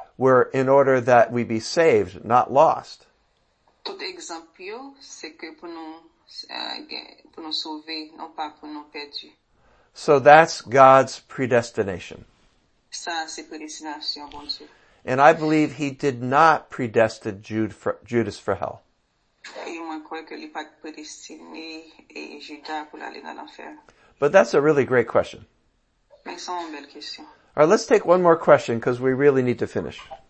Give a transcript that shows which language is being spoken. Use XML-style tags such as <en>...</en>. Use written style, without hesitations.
<en>were in order that we be saved, not lost.</en> <fr>Tout exemple, c'est que pour nous sauver, non pas pour nous perdre.</fr> <en>So that's God's predestination.</en> <fr>Ça, c'est prédestination, bon Dieu.</fr> <en>And I believe he did not predestine Judas for hell.</en> <fr>Et moi, je crois que lui pas prédestiné Judas pour aller dans l'enfer.</fr> <en>But that's a really great question.</en> <fr>Mais c'est une belle question.</fr> <en>All right, let's take one more question because we really need to finish.</en>